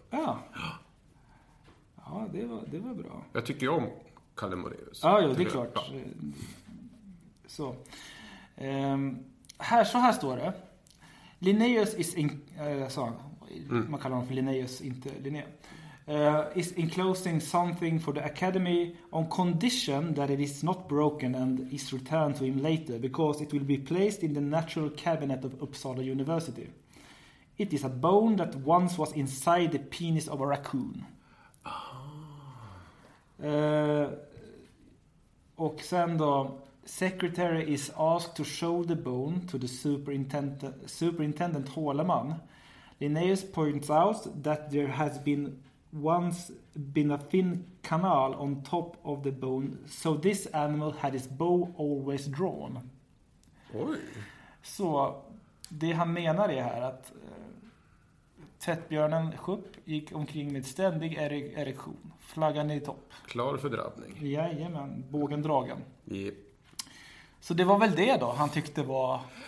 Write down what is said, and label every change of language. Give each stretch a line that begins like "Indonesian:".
Swedish: Ja. Ja, det var bra. Jag tycker om Kalle Moreus. Ja, det är klart. Ja. Så. Så här står det.
English: Linnaeus is in...
Swedish: man kallar honom för Linnaeus, inte Linné.
English: Is enclosing something for the academy on condition that it is not broken and is returned to him later, because it will be placed in the natural cabinet of Uppsala University. It is a bone that once was inside the penis of a raccoon.
Swedish: Och sen då,
English: secretary is asked to show the bone to the superintendent Håleman. Linnaeus points out that there has been once been a thin canal on top of the bone, so this animal had his bow always drawn.
Swedish: Oj. Så det han menar är här att tvättbjörnen Schupp gick omkring med ständig erektion. Flaggan i topp. Klar för drabbning. Jajamän, bågen dragen.
English: Yep.
Swedish: Så det var väl det då han tyckte var...